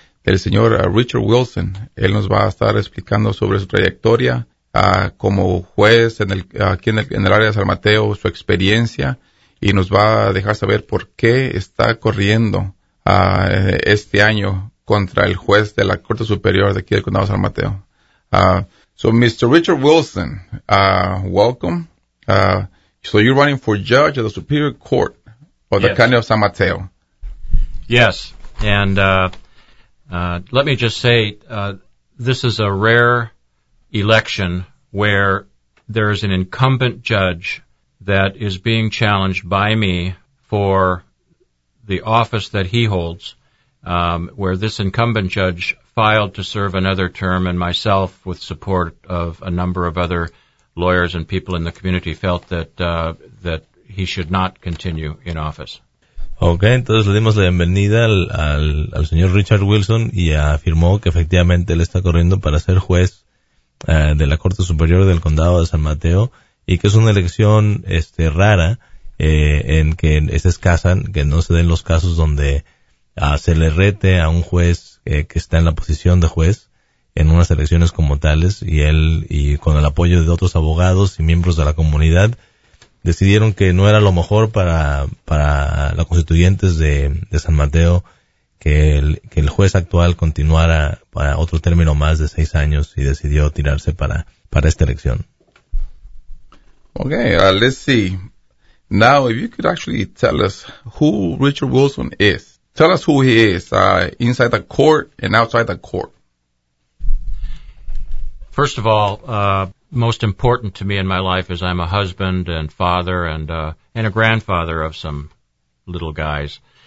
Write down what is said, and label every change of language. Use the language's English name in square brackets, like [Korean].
[Spanish] El señor Richard Wilson, él nos va a estar explicando sobre su trayectoria como juez aquí en el área de San Mateo, su experiencia, y nos va a dejar saber por qué está corriendo este año contra el juez de la Corte Superior de aquí del Condado de San Mateo. [English] So, Mr. Richard Wilson, welcome. So, you're running for judge of the Superior Court of the County of San Mateo. Yes, and let me just say, this is a rare election where there is an incumbent judge that is being challenged by me for the office that he holds, where this incumbent judge filed to serve another term and myself, with support of a number of other lawyers and people in the community, felt that he should not continue in office. [Spanish] Okay, entonces le dimos la bienvenida al señor Richard Wilson y afirmó que efectivamente él está corriendo para ser juez de la Corte Superior del Condado de San Mateo y que es una elección rara en que es escasa, que no se den los casos donde se le rete a un juez que está en la posición de juez en unas elecciones como tales, y él, y con el apoyo de otros abogados y miembros de la comunidad, decidieron que no era lo mejor para los constituyentes de San Mateo que el juez actual continuara para otro término más de 6 años, y decidió tirarse para esta elección. [English] Okay, let's see. Now, if you could actually tell us who Richard Wilson is. Tell us who he is inside the court and outside the court. First of all, most important to me in my life is I'm a husband and father and a grandfather of some little guys.